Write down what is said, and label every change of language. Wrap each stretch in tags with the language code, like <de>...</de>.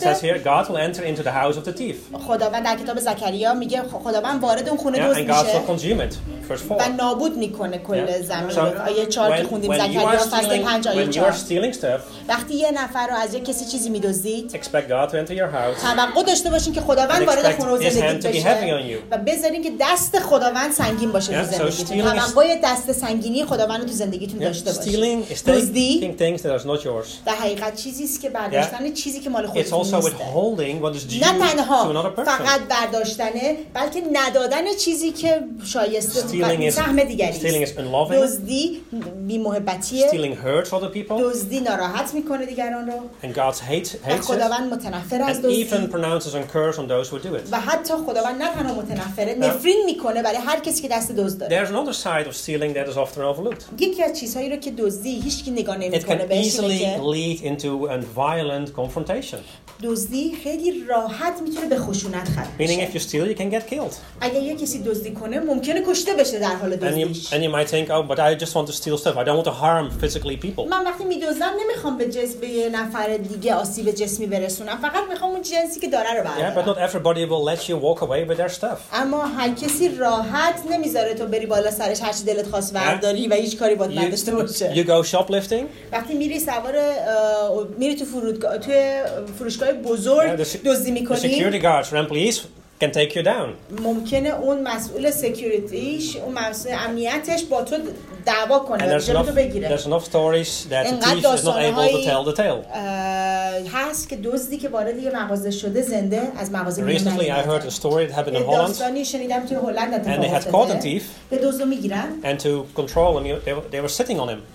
<en>It says here God will enter into the house of the thief.</en> <fa>خداوند در کتاب زکریا میگه خداوند وارد اون خونه دزد میشه.</fa> <en>And God will consume it. Verse 4.</en> <fa>و نابود میکنه کل زمین. آیه 4 که خوندیم زکریا فصل 5 آیه 4.</fa> <en>When you are stealing stuff.</en> <fa>وقتی یه نفر رو از یه کسی چیزی میدزدید.</fa> <en>Expect God to enter your house.</en> <fa>توقع داشته باشین که خداوند وارد خونه زندگیت بشه. و بذارین که دست خداوند سنگین باشه تو زندگیتون. توقع دست سنگینی خداوند تو زندگیتون داشته باشین.</fa> <en>Stealing is taking things that</en> <fa>برداشتن</fa> <en>yeah.</en> <fa>چیزی که مال خودت نیست.</fa> <en>It's also withholding what is due to another person.</en> <fa>فقط برداشتنه بلکه ندادن چیزی که شایسته و سهم دیگری است.</fa> <en>Stealing is unloving.</en> <fa>دزدی بی‌محبتیه.</fa> <en>Stealing hurts other people.</en> <fa>دزدی ناراحت می‌کنه دیگران رو.</fa> <en>And God hates</en> <fa>خداوند متنفر از دزدی.</fa> <en>Even pronounces a curse on those who do it.</en> <fa>و حتی خداوند نه تنها متنفره نفرین می‌کنه برای هر کسی که دست دزد داره.</fa> <en>There's another side of stealing that is often overlooked.</en> <fa>یکی از چیزهایی رو که دزدی هیچکی نگاه نمی‌کنه بهش.</fa> <en>It can easily lead into an violent confrontation.</en> <fa>دزدی خیلی راحت میتونه به خشونت ختم بشه.</fa> <en>Meaning if you steal you can get killed.</en> <fa>اگه یه کسی دزدی کنه ممکنه کشته بشه در حال دزدیش.</fa> <en>And you might think oh but I just want to steal stuff. I don't want to harm physically people.</en> <fa>من وقتی میدزدم نمیخوام به جسم به یه نفر دیگه آسیب جسمی برسونم. فقط میخوام اون جنسی که داره رو بردارم.</fa> <en>Yeah, but not everybody will let you walk away with their stuff.</en> <fa>اما هر کسی راحت نمیذاره تو بری بالا سرش هر چی دلت خواست برداری و هیچ کاری باهات نداشته باشه.</fa> <en>You go shoplifting?</en> <fa>وقتی میری سوار میری تو فرودگاه تو فروشگاه بزرگ دزدی میکنی.</fa> <en>Security guards, run please. Can take you down.</en> <fa>ممکنه اون مسئول سکیوریتیش اون مسئول امنیتش با تو دعوا کنه جلوی تو بگیره.</fa> <en>There's enough stories that the thief is not able to tell the tale.</en> <fa>هست که دزدی که وارد یه مغازه شده زنده از مغازه میاد.</fa> <en>Recently I heard a story that happened in Holland.</en> <fa>داستانی شنیدم توی هلند اتفاق افتاده.</fa> <en>And they had caught a thief.</en> <fa>به دزد میگیرن.</fa> <en>And to control him they were sitting on him.</en>